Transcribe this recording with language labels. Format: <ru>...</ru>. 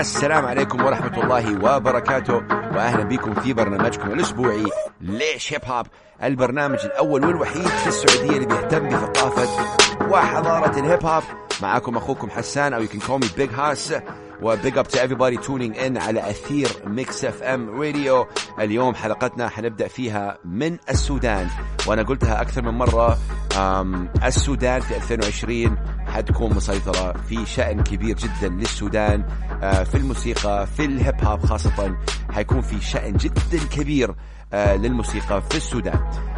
<ar>السلام عليكم ورحمة الله وبركاته، وأهلا بكم في برنامجكم الأسبوعي ليش هيب هوب، البرنامج الأول والوحيد في السعودية اللي بيهتم بثقافة وحضارة الهيب هوب. معاكم أخوكم حسان، أو</ar> <en>you can call me Big Hass. وبيج up to everybody tuning in</en> <ar>على أثير</ar> <en>ميكس أف أم راديو.</en> <ar>اليوم حلقتنا حنبدأ فيها من السودان، وأنا قلتها أكثر من مرة، السودان في 2020 حتكون مسيطرة في شأن كبير جدا للسودان في الموسيقى، في الهيب هوب خاصة حيكون في شأن جدا كبير للموسيقى في السودان.</ar>